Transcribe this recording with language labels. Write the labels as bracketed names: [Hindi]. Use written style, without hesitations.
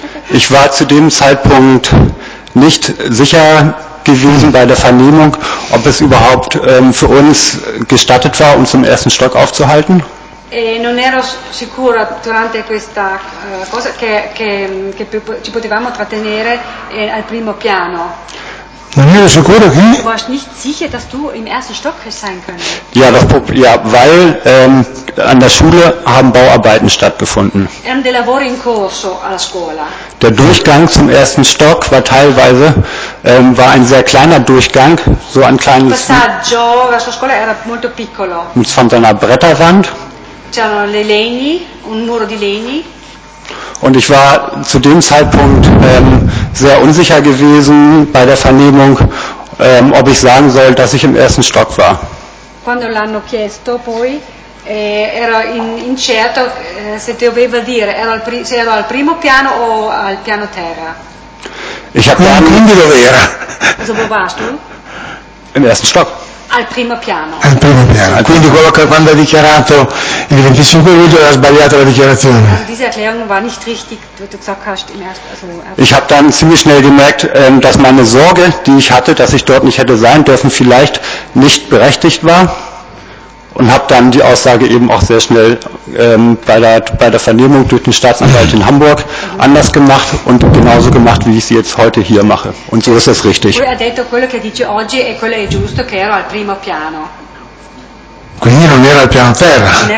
[German] Ich war zu dem Zeitpunkt nicht sicher gewesen bei der Vernehmung, ob es überhaupt für uns gestattet war, uns im ersten Stock aufzuhalten. [Italian] Non ero sicura durante questa cosa che ci potevamo trattenere al primo piano. Non ero sicuro che. [German] Du warst nicht sicher, dass du im ersten Stock sein könntest. Ja, weil an der Schule haben Bauarbeiten stattgefunden. [Italian] Erano dei lavori in corso alla scuola. [German] Der Durchgang zum ersten Stock war teilweise war ein sehr kleiner Durchgang, so ein kleines. [Italian] Passaggio verso la scuola era molto piccolo. [German] Mit so einer Bretterwand. [Italian] C'erano le legni, un muro di legni. [German] Und ich war zu dem Zeitpunkt sehr unsicher gewesen bei der Vernehmung, ob ich sagen soll, dass ich im ersten Stock war. [Italian] Quando l'hanno chiesto poi ero incerto se dovevo dire se ero al primo piano o al piano terra. [German] Ich habe dann [Italian] quindi dove era? [German] Also, wo warst du? Im ersten Stock. [Italian] Al primo piano. Al primo piano. Quindi quello che quando ha dichiarato il 25 luglio ha sbagliato la dichiarazione. [German] Also diese Erklärung war nicht richtig, du gesagt hast im ersten. Also, ich habe dann ziemlich schnell gemerkt, dass meine Sorge, die ich hatte, dass ich dort nicht hätte sein dürfen, vielleicht nicht berechtigt war. Und habe dann die Aussage eben auch sehr schnell bei der Vernehmung durch den Staatsanwalt in Hamburg anders gemacht und genauso gemacht, wie ich sie jetzt heute hier mache. Und so ist es richtig. [Italian] Poi ha detto quello che dice oggi e quello è giusto, che ero al primo piano. Quindi non era il piano terra.